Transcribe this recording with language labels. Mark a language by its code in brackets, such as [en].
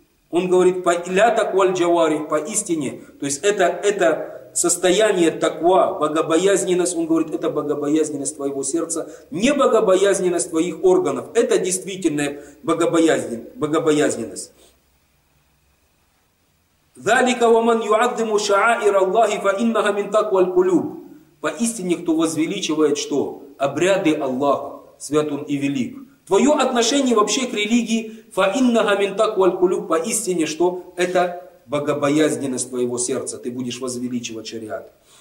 [ru] Он говорит, ля такваль джавари, поистине. То есть это состояние таква, богобоязненность, он говорит, это богобоязненность твоего сердца, не богобоязненность твоих органов. Это действительная богобоязненность. [ar] ذلك ومن يعظم شعائر الله فإنها من تقوى القلوب. [ru] Поистине, кто возвеличивает что? Обряды Аллаха, свят он и велик. Твое отношение вообще к религии, [ar] فإنها من تقوى القلوب, [ru] поистине, что это богобоязненность твоего сердца, ты будешь возвеличивать шариат.